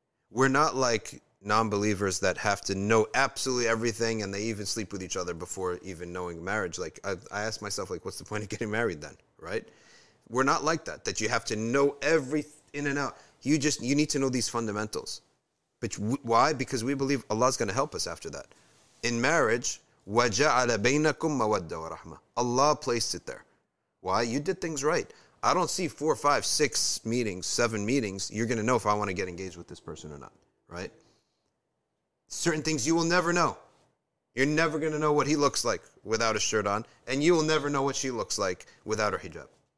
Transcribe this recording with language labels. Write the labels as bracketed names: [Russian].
[English] We're not like non-believers that have to know absolutely everything, and they even sleep with each other before even knowing marriage. Like, I ask myself, like, what's the point of getting married then, right? We're not like that, that you have to know every in and out. You need to know these fundamentals. But why? Because we believe Allah's going to help us after that. In marriage, [Arabic] وَجَعَلَ بَيْنَكُمْ مَوَدَّ وَرَحْمَةً. [English] Allah placed it there. Why? You did things right. I don't see 4, 5, 6 meetings, 7 meetings, you're going to know if I want to get engaged with this person or not, right? Certain things you will never know. You're never going to know what he looks like without a shirt on, and you will never know what she looks like without her hijab.